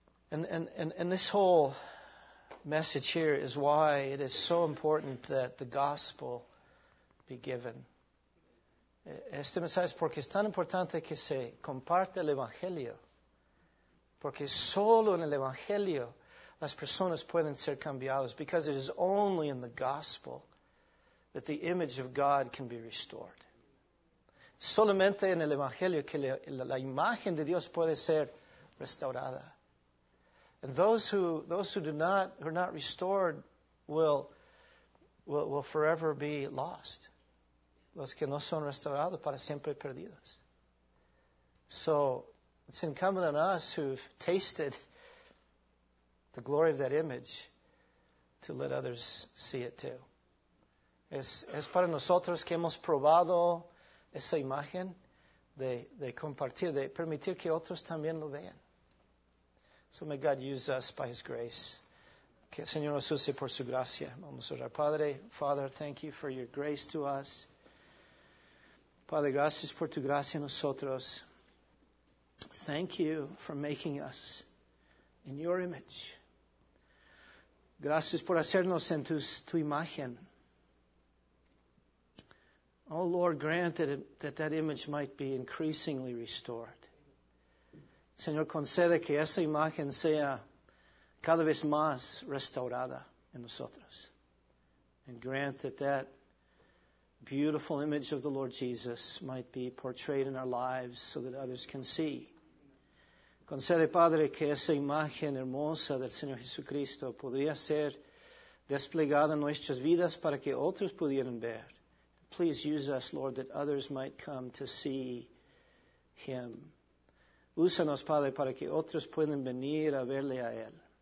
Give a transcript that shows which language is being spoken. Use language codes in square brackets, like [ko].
[en] And this whole message here is why it is so important that the gospel be given. [es] Este mensaje es porque es tan importante que se comparte el Evangelio. Porque solo en el Evangelio las personas pueden ser cambiadas. [en] Because it is only in the gospel that the image of God can be restored. [es] Solamente en el Evangelio que la imagen de Dios puede ser restaurada. [en] And those who are not restored will forever be lost. [es] Los que no son restaurados para siempre perdidos. [en] So it's incumbent on us who've tasted the glory of that image to let others see it too. [es] Es para nosotros que hemos probado esa imagen de compartir, de permitir que otros también lo vean. [en] So may God use us by His grace. [es] Que el Señor nos use por su gracia. Vamos a orar. Padre, [en] Father, thank you for your grace to us. [es] Padre, gracias por tu gracia en nosotros. [en] Thank you for making us in your image. [es] Gracias por hacernos en tu imagen. [en] Oh Lord, grant that image might be increasingly restored. [es] Señor, concede que esa imagen sea cada vez más restaurada en nosotros. [en] And grant that beautiful image of the Lord Jesus might be portrayed in our lives so that others can see. [es] Concede, Padre, que esa imagen hermosa del Señor Jesucristo podría ser desplegada en nuestras vidas para que otros pudieran ver. [en] Please use us, Lord, that others might come to see Him. [es] Úsanos, Padre, para que otros puedan venir a verle a Él.